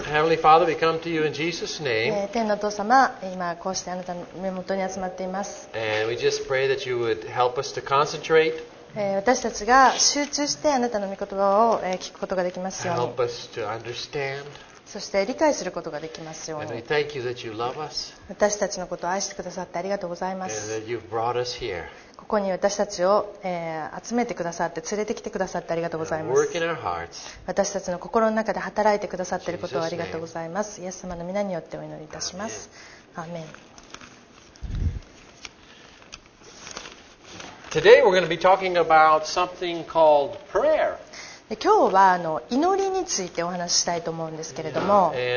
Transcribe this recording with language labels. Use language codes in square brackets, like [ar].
[en] Heavenly Father, we come to you in Jesus' name. [ja] 天のお父様、今こうしてあなたの目元に集まっています。 [en] And we just pray that you would help us to concentrate. [ja] 私たちが集中してあなたの御言葉を聞くことができますように。 [en] Help us to understand. [ja] そして理解することができますように。 [en] And we thank you that you love us. [ja] 私たちのことを愛してくださってありがとうございます。 [en] And that you've brought us here. [ja] ここに私たちを、集めてくださって連れてきてくださってありがとうございます。私たちの心の中で働いてくださっていることをありがとうございます。イエス様の皆によってお祈りいたします。アーメン。 [en] Today we're going to be talking about something called prayer. [ja] 今日は祈りについてお話ししたいと思うんですけれども、